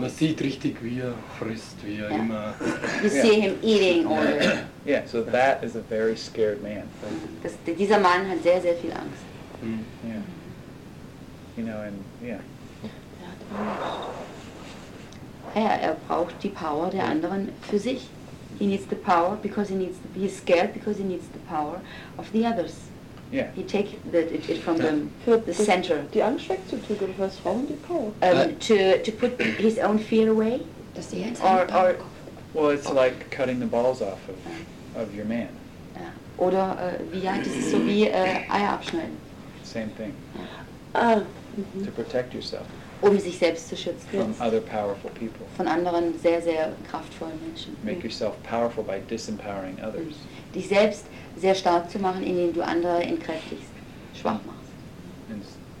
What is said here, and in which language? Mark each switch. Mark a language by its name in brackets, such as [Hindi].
[German] Man sieht richtig, wie er frisst, wie er immer. [English] You see him eating all. Yeah, so that is a very scared man. [German] Dieser Mann hat sehr, sehr viel Angst. [English] Yeah. You know, and yeah. [German] Ja, er braucht die Power der anderen für sich. [English] He needs the power because he is scared because he needs the power of the others. Yeah. He takes it from them, the center. [German] Die Angst wegzutun, was brauchen die Power? [English] To put his own fear away. [German] Das ist jetzt ein Power. [English] Well, it's like cutting the balls off of your man. [German] Oder wie ja, das ist so wie Eier abschneiden. [English] Same thing. To protect yourself. [German] Um sich selbst zu schützen. [English] From other powerful people. [German] Von anderen sehr, sehr kraftvollen Menschen. [English] Make yourself powerful by disempowering others. [German] Dich selbst sehr stark zu machen, indem du andere entkräftigst, schwach machst.